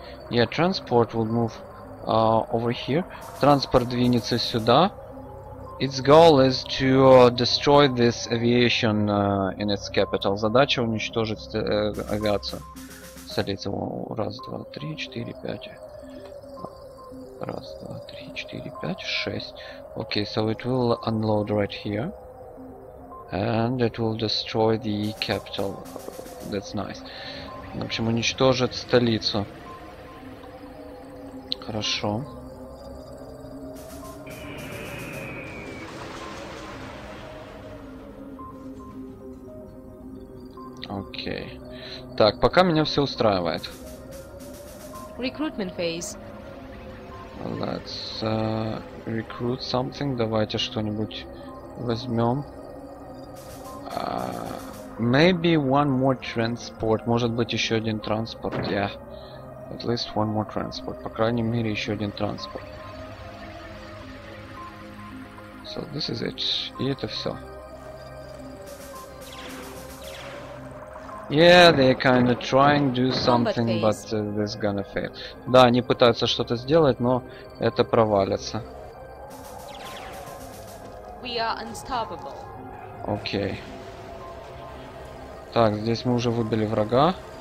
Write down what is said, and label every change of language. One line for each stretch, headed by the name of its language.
English: Yeah, transport will move over here.
Russian: Транспорт двинется сюда.
English: Its goal is to destroy this aviation in its capital.
Russian: Задача уничтожить авиацию. Солиться. Раз, два, три, четыре, пять. Раз, два, три, четыре, пять, шесть.
English: Окей, so it will unload right here. And it will destroy the capital. That's nice.
Russian: В общем, уничтожит столицу. Хорошо. Окей. Так, пока меня все устраивает.
English: Recruitment phase. Let's recruit something.
Russian: Давайте что-нибудь возьмем.
English: Maybe one more transport.
Russian: Может быть еще один транспорт, yeah.
English: At least one more transport.
Russian: По крайней мере еще один транспорт.
English: So this is it.
Russian: И это все.
English: Yeah, they're kind of trying to do something, but this gonna fail.
Russian: Да, они пытаются что-то сделать, но это провалится.
English: We are unstoppable.
Russian: Окей. Так, здесь мы уже выбили врага.